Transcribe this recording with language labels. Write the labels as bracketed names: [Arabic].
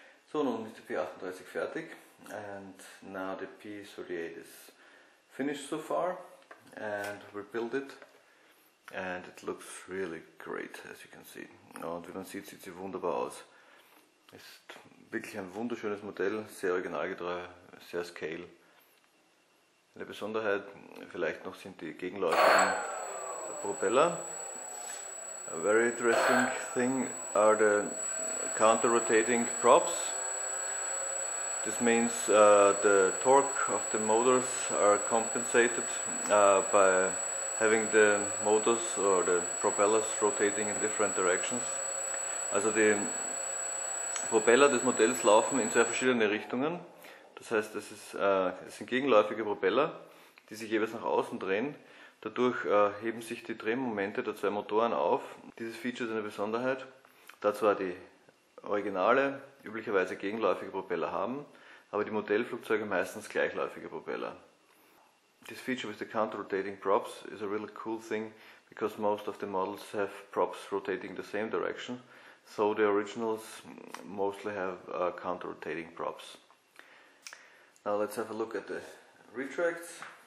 [German] So, nun ist die P38 fertig [English] and now the P38 is finished so far and we built it and it looks really great as you can see. [German] Und wie man sieht, sieht sie wunderbar aus. Ist wirklich ein wunderschönes Modell, sehr originalgetreu, sehr scale. Eine Besonderheit vielleicht noch sind die gegenläufigen Propeller. [English] A very interesting thing are the counter-rotating props. This means the torque of the motors are compensated by having the motors or the propellers rotating in different directions. [German] Also die Propeller des Modells laufen in zwei verschiedene Richtungen. Das heißt, es sind gegenläufige Propeller, die sich jeweils nach außen drehen. Dadurch heben sich die Drehmomente der zwei Motoren auf. Dieses Feature ist eine Besonderheit, da zwar die Originale üblicherweise gegenläufige Propeller haben, aber die Modellflugzeuge meistens gleichläufige Propeller. [English] This feature with the counter-rotating props is a really cool thing, because most of the models have props rotating the same direction, so the originals mostly have counter-rotating props. Now let's have a look at the retracts.